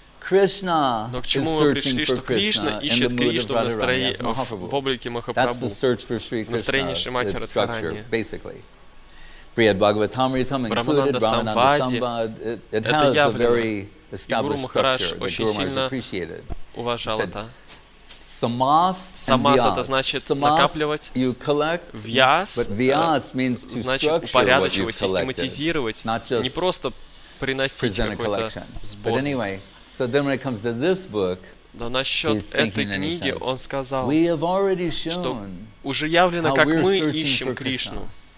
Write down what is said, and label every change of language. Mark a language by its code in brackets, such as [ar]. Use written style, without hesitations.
[en] Krishna is searching for Krishna in the mood of Radharani. That's the search for Sri Krishna. The structure, basically. Brihad Bhagavatamritam included Brahmananda Samvad. It has a very established structure that Guru Maharaj appreciated. [ru] Уважал это. [en] Samas, [ru] это значит накапливать. [en] You collect. Vyas, but vyas means to [ru] значит, упорядочивать, систематизировать, [en] not just [ru] не просто приносить какой-то сбор. [en] But anyway, so then when it comes to this book, [ru] но насчет этой книги он сказал, [en] we have already shown [ru] что уже явлено, как мы ищем Кришну.